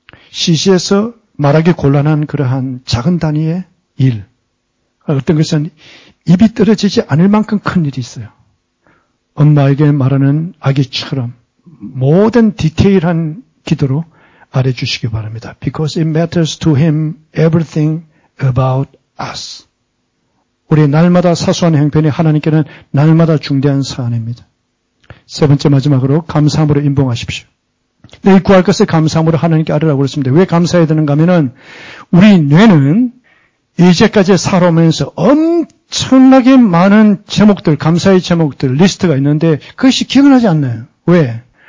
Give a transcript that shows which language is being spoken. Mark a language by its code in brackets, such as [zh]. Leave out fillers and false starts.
[ko] 시시해서 말하기 곤란한 그러한 작은 단위의 일. 어떤 것은 입이 떨어지지 않을 만큼 큰 일이 있어요. 엄마에게 말하는 아기처럼 모든 디테일한 기도로 알아주시기 바랍니다. [en] Because it matters to him everything about us. [ko] 우리 날마다 사소한 형편이 하나님께는 날마다 중대한 사안입니다. 세 번째 마지막으로 감사함으로 임봉하십시오. 내일 구할 것을 감사함으로 하나님께 아뢰라고 그랬습니다. 왜 감사해야 되는가 하면 우리 뇌는 이제까지 살아오면서 엄청나게 많은 제목들, 감사의 제목들, 리스트가 있는데 그것이 기억나지 않나요? 왜?